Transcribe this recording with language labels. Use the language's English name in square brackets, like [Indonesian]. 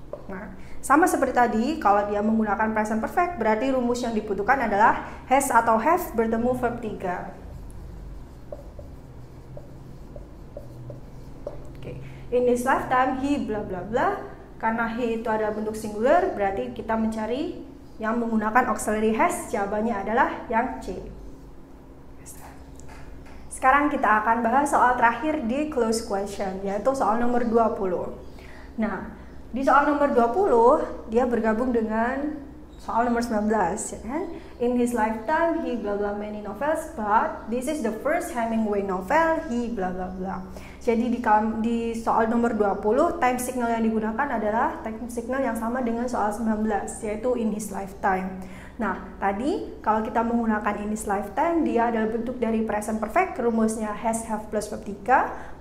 [Indonesian] Nah, sama seperti tadi, kalau dia menggunakan present perfect, berarti rumus yang dibutuhkan adalah has atau have bertemu verb 3. Okay. [English] In his lifetime, he blah blah blah. [Indonesian] Karena he itu adalah bentuk singular, berarti kita mencari yang menggunakan auxiliary has, jawabannya adalah yang C. Sekarang kita akan bahas soal terakhir di close question, yaitu soal nomor 20. Nah, di soal nomor 20, dia bergabung dengan soal nomor 19, ya kan? [English] In his lifetime, he blah blah many novels, but this is the first Hemingway novel, he blah blah blah. [Indonesian] Jadi di soal nomor 20, time signal yang digunakan adalah time signal yang sama dengan soal 19, yaitu [English] in his lifetime. [Indonesian] Nah, tadi kalau kita menggunakan in his lifetime, dia adalah bentuk dari present perfect, rumusnya has, have, plus verb 3.